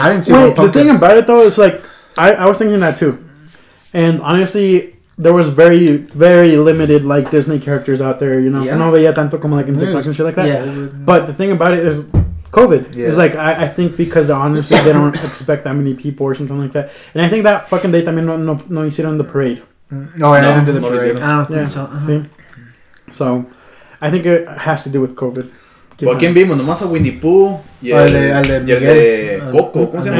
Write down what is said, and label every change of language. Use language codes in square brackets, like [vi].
[en] I didn't see the thing about it, though, is, like, I was thinking that, too. And, honestly, there was very, very limited, like, Disney characters out there, you know? Yeah. [es] No veía tanto como, [en] like, in TikTok and shit like that. Yeah. But the thing about it is COVID. Yeah. It's, like, I think because, honestly, they don't expect that many people or something like that. And I think that fucking day [es] también no hicieron [en] the parade. No, I didn't do the parade. I don't think so. I think it has to do with COVID. [es] ¿Quién vimos? Nomás a Winnie Pooh y el de Coco.